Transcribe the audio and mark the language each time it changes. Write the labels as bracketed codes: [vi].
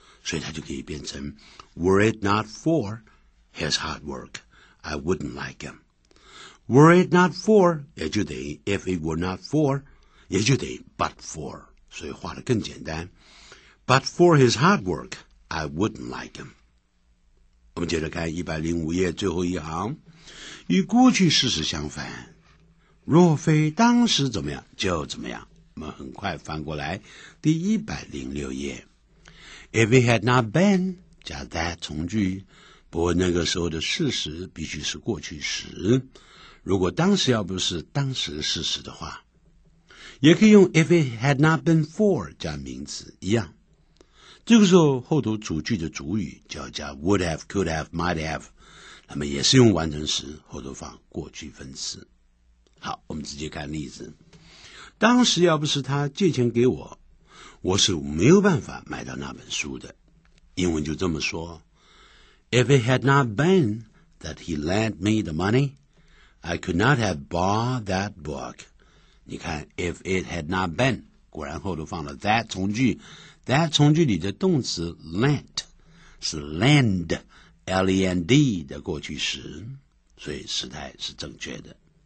[zh] 所以它就可以变成 [en] Were it not for his hard work I wouldn't like him， Were it not for [zh] 也就等于 [en] If it were not for 也就等于 But for， [zh] 所以画得更简单， [en] But for his hard work I wouldn't like him。 [zh] 我们接着看105页最后一行，与过去事实相反，若非当时怎么样就怎么样，我们很快翻过来第106页。 [en] If it had not been [zh] 加 that 从句，不过那个时候的事实必须是过去时，如果当时要不是当时事实的话，也可以用 [en] If it had not been for [zh] 加名词一样，这个时候后头主句的主语就要加 [en] would have, could have, might have, [zh] 那么也是用完成时，后头放过去分词。好，我们直接看例子。当时要不是他借钱给我，我是没有办法买到那本书的。英文就这么说， [en] If it had not been that he lent me the money, I could not have bought that book. [zh] 你看 [en] if it had not been, [zh] 果然后头放了 that 从句，That 从句里的动词 lent 是 lend L-E-N-D 的过去时，所以时态是正确的。